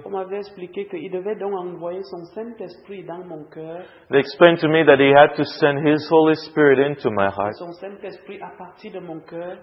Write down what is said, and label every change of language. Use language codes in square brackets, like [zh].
[fr] On m'avait expliqué qu'il devait donc envoyer son Saint-Esprit dans mon cœur. [en] They explained to me that he had to send his Holy Spirit into my heart. [fr] Son Saint-Esprit à partir de mon cœur.